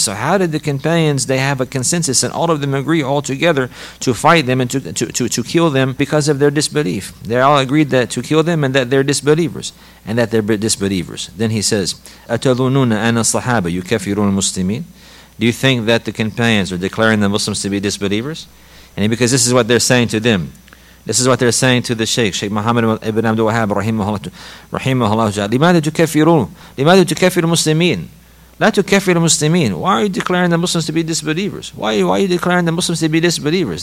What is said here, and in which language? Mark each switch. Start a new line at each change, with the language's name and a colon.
English: So how did the companions, they have a consensus, and all of them agree all together to fight them and to kill them because of their disbelief? They all agreed that to kill them and that they're disbelievers. Then he says,
Arabic: أَتَظُنُونَ أَنَ الصَّحَابَةُ يُكَفِرُونَ الْمُسْلِمِينَ.
English: Do you think that the companions are declaring the Muslims to be disbelievers? And because this is what they're saying to them. This is what they're saying to the Sheikh Muhammad ibn Abdul Wahhab, rahimahullah.
Arabic: لِمَاذَ تُكَفِرُ الْمُسْلِمِينَ. لَا تُكَفِرُ الْمُسْلِمِينَ.
English: Why are you declaring the Muslims to be disbelievers? Why are you declaring the Muslims to be disbelievers?